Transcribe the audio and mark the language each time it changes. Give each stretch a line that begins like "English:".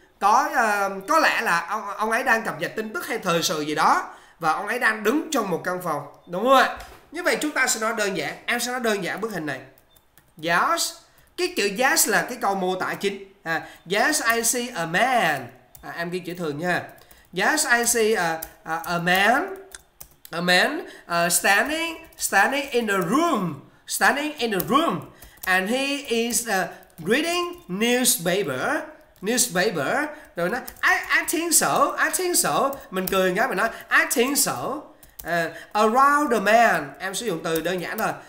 Vietnamese: Có lẽ là ông ấy đang cập nhật tin tức hay thời sự gì đó và ông ấy đang đứng trong một căn phòng, đúng không ạ? Như vậy chúng ta sẽ nói đơn giản, em sẽ nói đơn giản bức hình này. Yes, cái chữ yes là cái câu mô tả chính.
English: À, yes, I see a man. À,
Vietnamese: em ghi chữ thường nha.
English: Yes, I see a man standing in the room, and he is reading newspaper. Newspaper.
Vietnamese: Rồi nó
English: I think so.
Vietnamese: Mình cười nhá, mình nói
English: I think so. Around the man,
Vietnamese: em sử dụng từ đơn giản thôi.